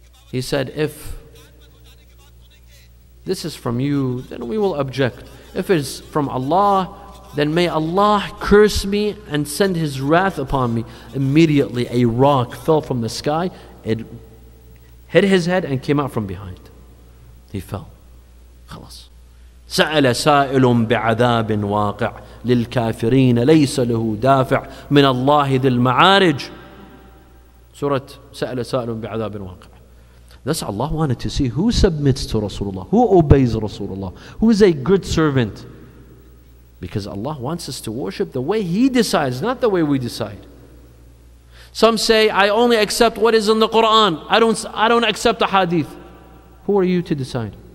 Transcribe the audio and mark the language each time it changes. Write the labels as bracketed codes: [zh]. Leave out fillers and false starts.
[en] He said, if this is from you, then we will object. If it's from Allah, then may Allah curse me and send his wrath upon me. Immediately a rock fell from the sky. It hit his head and came out from behind. He fell. Khalas. [ar] سأل سائل بعذاب واقع للكافرين ليس له دافع من الله ذي المعارج. سورة سأل سائل بعذاب واقع. [en] Thus Allah wanted to see who submits to Rasulullah, who obeys Rasulullah, who is a good servant. Because Allah wants us to worship the way He decides, not the way we decide. Some say, I only accept what is in the Quran. I don't accept a hadith. Who are you to decide?